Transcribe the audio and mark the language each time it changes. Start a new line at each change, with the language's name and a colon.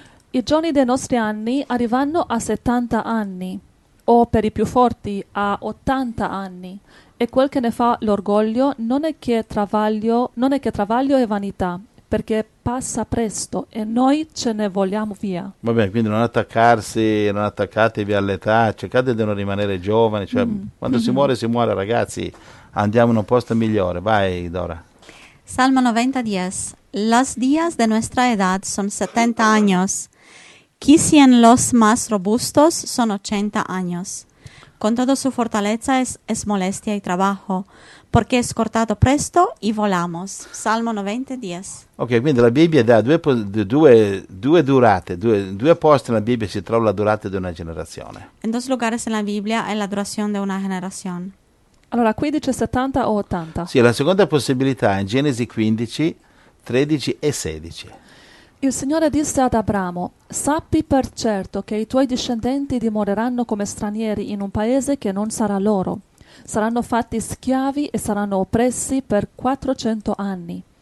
Italian: I giorni dei nostri anni arrivano a 70 anni, o per i più forti a 80 anni, e quel che ne fa l'orgoglio non è che travaglio e vanità, perché passa presto e noi ce ne vogliamo via. Va bene, quindi non attaccatevi all'età, cercate di non rimanere giovani, cioè quando si muore ragazzi, andiamo in un posto migliore, vai Dora. Salmo 90:10.
Spanish: Los días de nuestra edad son 70 años. Quizá en los más robustos son 80 años. Con toda su fortaleza es molestia y trabajo, porque es cortado presto y volamos. Salmo 90:10.
Italian: Ok, quindi la Bibbia dà due durate, due posti nella Bibbia si trova la durata di una generazione.
Spanish: En dos lugares en la Biblia es la duración de una generación.
Italian: Allora, qui dice 70 o 80? Sì, la seconda possibilità è in Genesi 15, 13 e 16. Il Signore disse ad Abramo: sappi per certo che i tuoi discendenti dimoreranno come stranieri in un paese che non sarà loro. Saranno fatti schiavi e saranno oppressi per 400 anni.